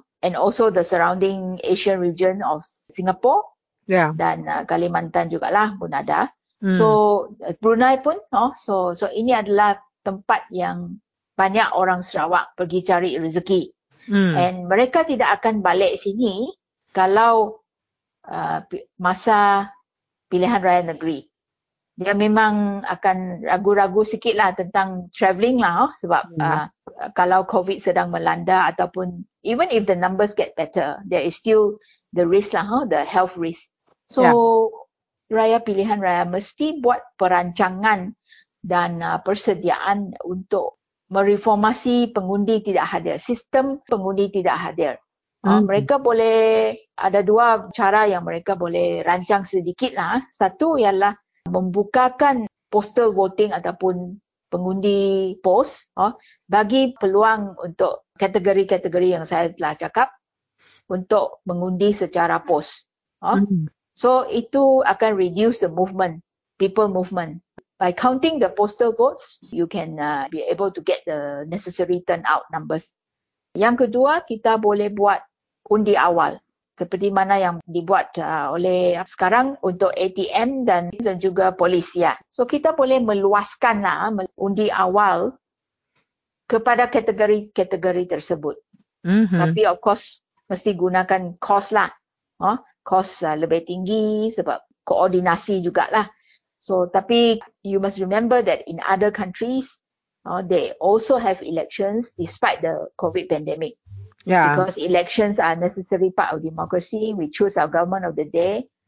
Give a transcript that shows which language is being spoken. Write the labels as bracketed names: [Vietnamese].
[English] And also the surrounding Asian region of Singapore. [Malay] Dan Kalimantan jugalah pun ada. So Brunei pun. So ini adalah tempat yang banyak orang Sarawak pergi cari rezeki. And mereka tidak akan balik sini kalau masa pilihan raya negeri. Dia memang akan ragu-ragu sikit lah tentang travelling lah. Sebab kalau COVID sedang melanda ataupun [English] even if the numbers get better, there is still the risk lah, the health risk. [Malay] So raya pilihan raya mesti buat perancangan dan persediaan untuk mereformasi pengundi tidak hadir, sistem pengundi tidak hadir. Mereka boleh, ada dua cara yang mereka boleh rancang sedikit lah. Satu ialah membukakan postal voting ataupun pengundi pos bagi peluang untuk kategori-kategori yang saya telah cakap untuk mengundi secara pos. [English] So [Malay] itu akan [English] reduce the movement, people movement. By counting the postal votes, you can be able to get the necessary turnout numbers. [Malay] Yang kedua, kita boleh buat undi awal. Seperti mana yang dibuat oleh sekarang untuk ATM dan juga polis. So kita boleh meluaskan undi awal kepada kategori-kategori tersebut. Tapi [English] of course, [Malay] mesti gunakan kos lah. Kos lebih tinggi sebab koordinasi jugalah. [English] So tapi you must remember that in other countries, they also have elections despite the COVID pandemic. Because elections are a necessary part of democracy. We choose our government of the day.